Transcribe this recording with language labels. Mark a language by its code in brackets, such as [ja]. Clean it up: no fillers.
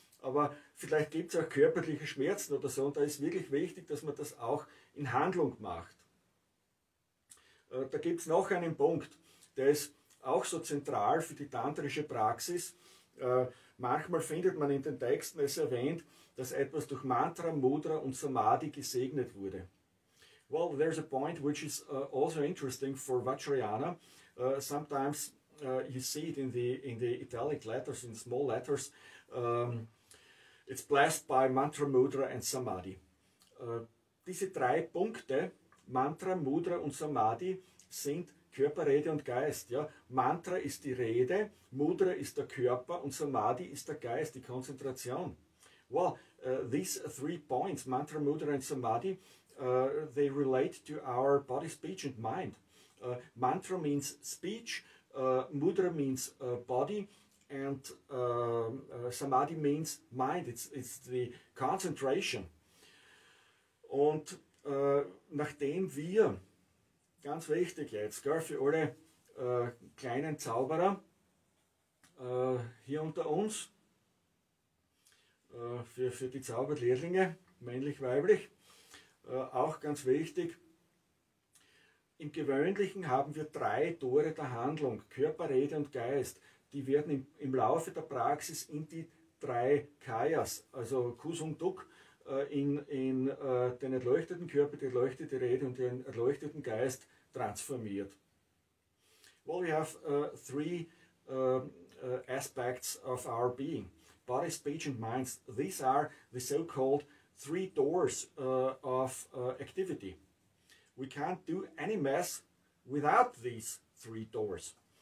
[de] Aber vielleicht gibt es auch körperliche Schmerzen oder so, und da ist wirklich wichtig, dass man das auch in Handlung macht. Da gibt es noch einen Punkt, der ist auch so zentral für die tantrische Praxis. Manchmal findet man in den Texten es erwähnt, dass etwas durch Mantra, Mudra und Samadhi gesegnet wurde. [en] Well, there's a point which is also interesting for Vajrayana. Sometimes you see it in the italic letters, in small letters. It's blessed by Mantra, Mudra and Samadhi. [de] Diese drei Punkte, Mantra, Mudra und Samadhi, sind Körper, Rede und Geist. Ja? Mantra ist die Rede, Mudra ist der Körper und Samadhi ist der Geist, die Konzentration. [en] Well, these three points, Mantra, Mudra and Samadhi, they relate to our body, speech and mind. Mantra means speech, mudra means body, and Samadhi means mind. It's the concentration. [de] Und nachdem wir, ganz wichtig jetzt, gell, für alle kleinen Zauberer hier unter uns, für die Zauberlehrlinge, männlich, weiblich, auch ganz wichtig. Im Gewöhnlichen haben wir drei Tore der Handlung, Körper, Rede und Geist. Die werden im Laufe der Praxis in die drei Kayas, also Kusung Duk, in den erleuchteten Körper, die erleuchtete Rede und den erleuchteten Geist transformiert. [en] Well, we have three aspects of our being. Body, speech and mind. These are the so-called three doors of activity. We can't do any mess without these three doors.